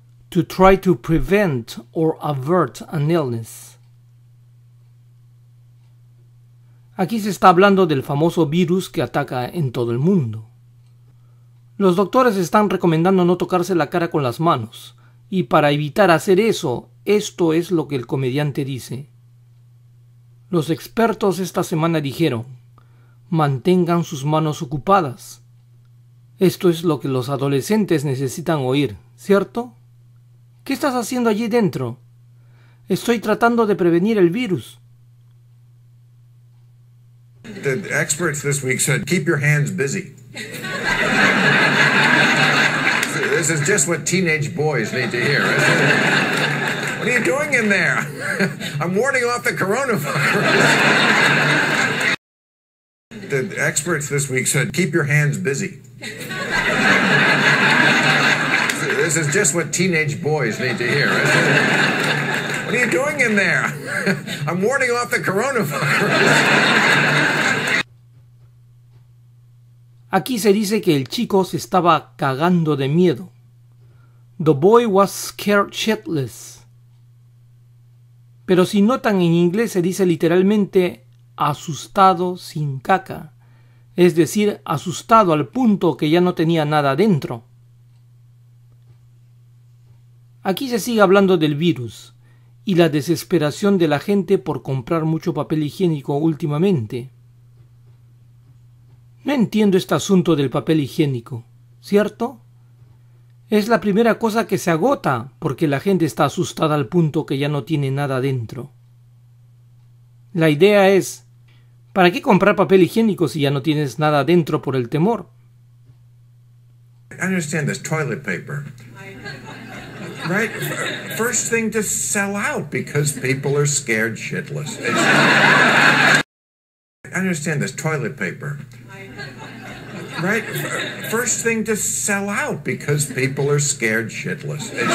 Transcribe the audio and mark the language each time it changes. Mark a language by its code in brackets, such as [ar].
[en] To try to prevent or avert an illness. [es] Aquí se está hablando del famoso virus que ataca en todo el mundo. Los doctores están recomendando no tocarse la cara con las manos, y para evitar hacer eso, esto es lo que el comediante dice. Los expertos esta semana dijeron: mantengan sus manos ocupadas. Esto es lo que los adolescentes necesitan oír, ¿cierto? ¿Qué estás haciendo allí dentro? Estoy tratando de prevenir el virus. [en] The experts this week said, keep your hands busy. This is just what teenage boys need to hear. What are you doing in there? I'm warding off the coronavirus. The experts this week said, keep your hands busy. This is just what teenage boys need to hear. What are you doing in there? I'm warding off the coronavirus. [es] Aquí se dice que el chico se estaba cagando de miedo. [en] The boy was scared shitless. [es] Pero si notan, en inglés se dice literalmente asustado sin caca. Es decir, asustado al punto que ya no tenía nada dentro. Aquí se sigue hablando del virus y la desesperación de la gente por comprar mucho papel higiénico últimamente. No entiendo este asunto del papel higiénico, ¿cierto? Es la primera cosa que se agota porque la gente está asustada al punto que ya no tiene nada dentro. La idea es, ¿para qué comprar papel higiénico si ya no tienes nada dentro por el temor? [en] I understand this toilet paper. Right? First thing to sell out because people are scared shitless. I understand this toilet paper. Right? First thing to sell out because people are scared shitless.